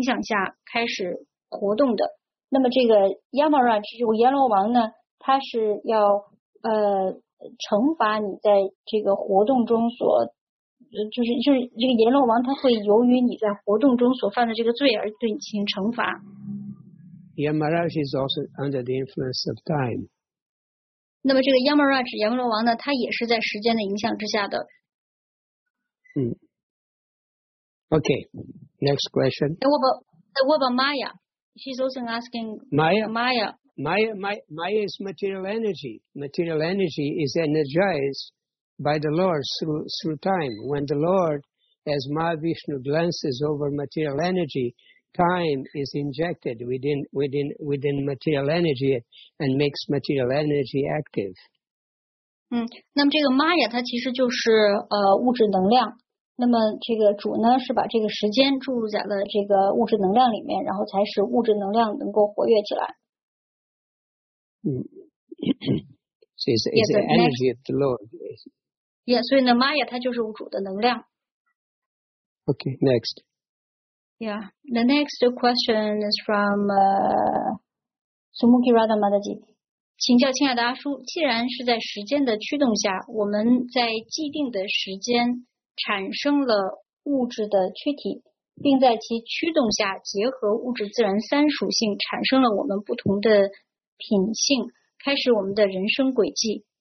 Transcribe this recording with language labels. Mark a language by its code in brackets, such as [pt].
[zh] 这个物质自然三属性呢，它是在时间的影响下开始活动的。那么这个 Yamaraj 阎罗王呢，他是要惩罚你在这个活动中所。就是这个阎罗王，他会由于你在活动中所犯的这个罪而对你进行惩罚。 [en] Yamaraj is also under the influence of time. [zh] 那么这个 Yamaraj 阎罗王呢，他也是在时间的影响之下的。 [en] 嗯。Okay, next question. What about Maya? She's also asking Maya. Maya. Maya is material energy. Material energy is energized by the Lord through time. When the Lord, as Mahavishnu, glances over material energy, time is injected within material energy and makes material energy active. [zh] 嗯，那么这个 Maya 它其实就是物质能量。那么这个主呢是把这个时间注入在了这个物质能量里面，然后才使物质能量能够活跃起来。嗯，所以是 [en] the energy of the Lord. [zh] Yeah, 所以呢 ，Maya 它就是主的能量。 [en] Okay, next. Yeah, the next question is from Sumukhi Radha Madaji. [zh] 请教亲爱的阿叔，既然是在时间的驱动下，我们在既定的时间产生了物质的躯体，并在其驱动下结合物质自然三属性，产生了我们不同的品性，开始我们的人生轨迹。